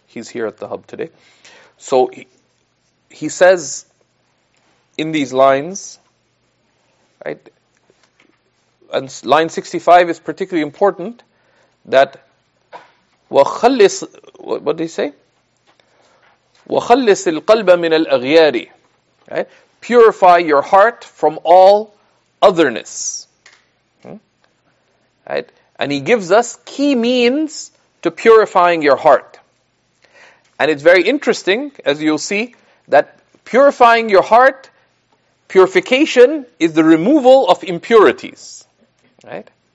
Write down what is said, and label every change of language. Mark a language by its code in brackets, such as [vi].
[en] He's here at the hub today. So he says in these lines, right, and line 65 is particularly important, that وخلص, what did he say? [ar] وخلص القلب من الأغيار, [en] right? Purify your heart from all otherness. Right? And he gives us key means to purifying your heart. And it's very interesting, as you'll see, that purifying your heart, purification is the removal of impurities. Right?